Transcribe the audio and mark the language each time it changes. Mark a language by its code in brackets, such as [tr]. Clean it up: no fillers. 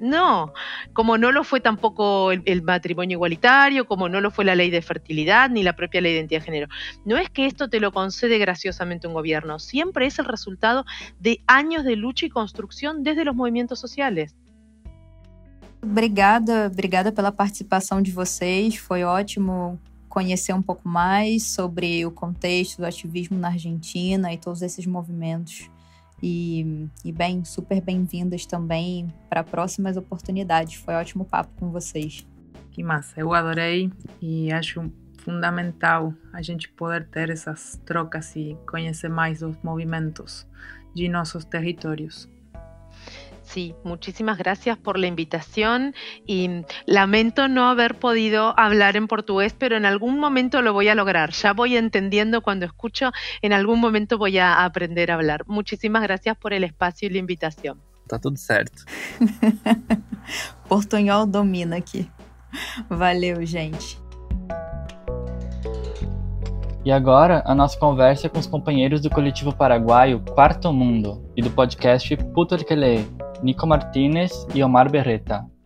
[es] No, como no lo fue tampoco el matrimonio igualitario, como no lo fue la ley de fertilidad ni la propia ley de identidad de género. No es que esto te lo concede graciosamente un gobierno, siempre es el resultado de años de lucha y construcción desde los movimientos sociales. [pt] Obrigada pela participação de vocês, foi ótimo conhecer um pouco mais sobre o contexto do ativismo na Argentina e todos esses movimentos. E bem, super bem-vindas também para próximas oportunidades. Foi ótimo papo com vocês. Que massa, eu adorei e acho fundamental a gente poder ter essas trocas e conhecer mais os movimentos de nossos territórios. [es] Sí, muchísimas gracias por la invitación y lamento no haber podido hablar en portugués, pero en algún momento lo voy a lograr. Ya voy entendiendo cuando escucho, en algún momento voy a aprender a hablar. Muchísimas gracias por el espacio y la invitación. [pt] Está todo certo. [es] Portuñol domina aquí. [pt] Valeu, gente. E agora, a nossa conversa é com os companheiros do coletivo paraguaio Quarto Mundo e do podcast Puto El Que Lê, Nico Martínez e Omar Berreta.